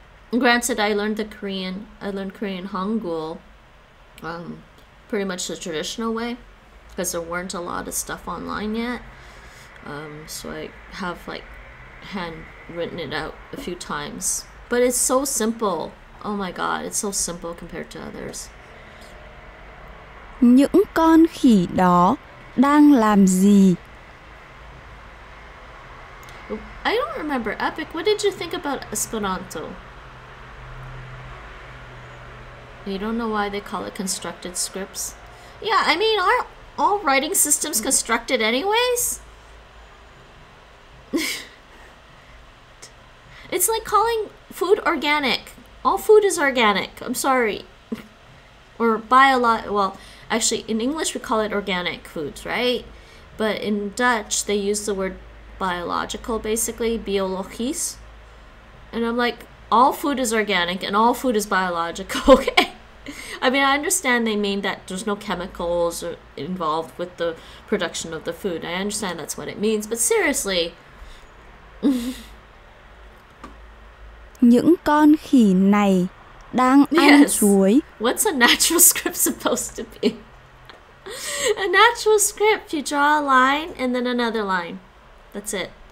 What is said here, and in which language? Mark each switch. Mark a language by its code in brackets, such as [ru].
[en] Granted, I learned Korean Hangul pretty much the traditional way because there weren't a lot of stuff online yet. So I have like handwritten it out a few times. But it's so simple. Oh my god, it's so simple compared to others. [vi] Những con khỉ đó đang làm gì? [en] I don't remember. Epic, what did you think about Esperanto? You don't know why they call it constructed scripts? Yeah, I mean, aren't all writing systems constructed anyways? It's like calling food organic. All food is organic. I'm sorry. Or actually, in English we call it organic foods, right? But in Dutch they use the word biological, basically, biologies. And I'm like, all food is organic and all food is biological, okay? I mean, I understand they mean that there's no chemicals involved with the production of the food. I understand that's what it means, but seriously. [vi] Những con khỉ này đang ăn chuối. [en] What's a natural script supposed to be? A natural script, you draw a line and then another line. That's it.